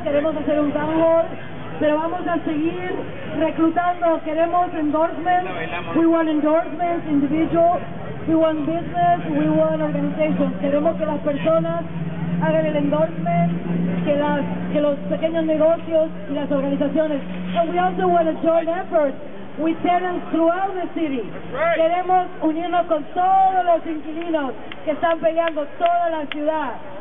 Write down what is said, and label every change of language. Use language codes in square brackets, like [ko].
[es] Queremos hacer un town hall, pero vamos a seguir reclutando. Queremos endorsements. [en] We want endorsements, individuals. We want business. We want organizations. [es] Queremos que las personas hagan el endorsement, que los pequeños negocios y las organizaciones. [en] And we also want a joint effort with tenants throughout the city. Right. [es] Queremos unirnos con todos los inquilinos que están peleando toda la ciudad.